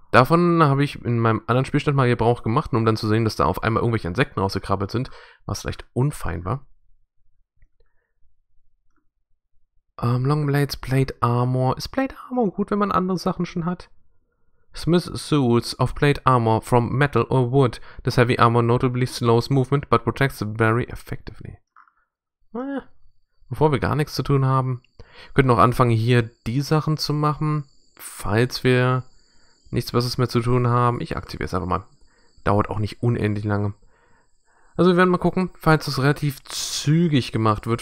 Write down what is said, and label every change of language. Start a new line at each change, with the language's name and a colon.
German: Davon habe ich in meinem anderen Spielstand mal Gebrauch gemacht, um dann zu sehen, dass da auf einmal irgendwelche Insekten rausgekrabbelt sind, was vielleicht unfein war. Long Blades, Plate Armor. Ist Plate Armor gut, wenn man andere Sachen schon hat?
English: Smith Suits of Plate Armor from Metal or Wood. This heavy armor notably slows movement, but protects very effectively.
German: Bevor wir gar nichts zu tun haben, könnten auch anfangen, hier die Sachen zu machen, falls wir nichts Besseres mehr zu tun haben. Ich aktiviere es einfach mal. Dauert auch nicht unendlich lange. Also wir werden mal gucken, falls das relativ zügig gemacht wird.